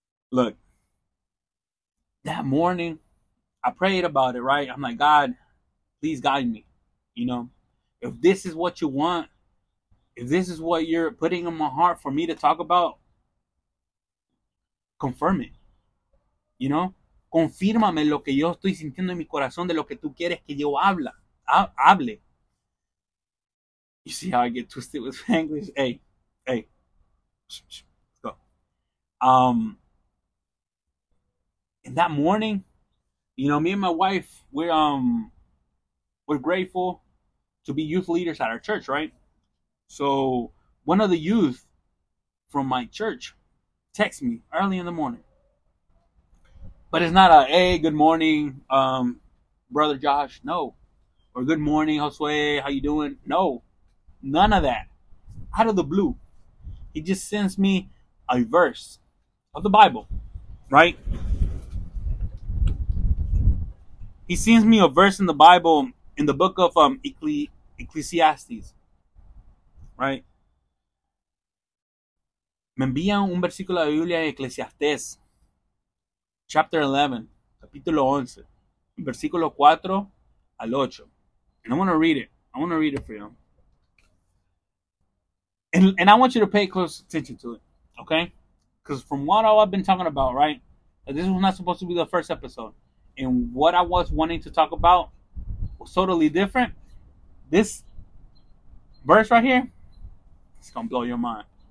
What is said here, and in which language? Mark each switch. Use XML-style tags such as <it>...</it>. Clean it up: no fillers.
<en>Look, that morning, I prayed about it, right? I'm like, God, please guide me. You know, if this is what you want, if this is what you're putting in my heart for me to talk about, confirm it. You know?</en> <es>Confírmame lo que yo estoy sintiendo en mi corazón de lo que tú quieres que yo hable.</es> <en>You see how I get twisted with English? Hey. Go. In that morning, you know, me and my wife, we're grateful to be youth leaders at our church, right? So one of the youth from my church texts me early in the morning. But it's not a, hey, good morning, Brother Josh. No. Or good morning, Josue. How you doing? No. None of that. Out of the blue. He just sends me a verse of the Bible, right? He sends me a verse in the Bible in the book of Ecclesiastes. Right.</en> <es>Me envían un versículo de Biblia en Eclesiastés,</es> <en>chapter 11,</en> <es>capítulo 11, versículo 4 al 8.</es> <en>And I want to read it. I want to read it for you. And I want you to pay close attention to it, okay? Because from what all I've been talking about, right, this was not supposed to be the first episode. And what I was wanting to talk about was totally different. This verse right here, it's going to blow your mind.</en>